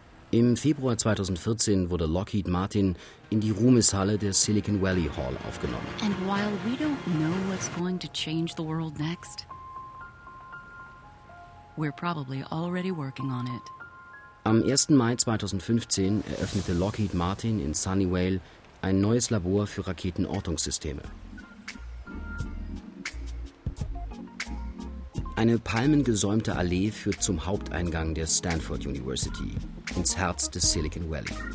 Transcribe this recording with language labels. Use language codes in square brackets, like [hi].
[de] Im Februar 2014 wurde Lockheed Martin in die Ruhmeshalle der Silicon Valley Hall aufgenommen. [en] And while we don't know what's going to change the world next, we're probably already working on it. [de] Am 1. Mai 2015 eröffnete Lockheed Martin in Sunnyvale ein neues Labor für Raketenortungssysteme. Eine palmengesäumte Allee führt zum Haupteingang der Stanford University, ins Herz des Silicon Valley.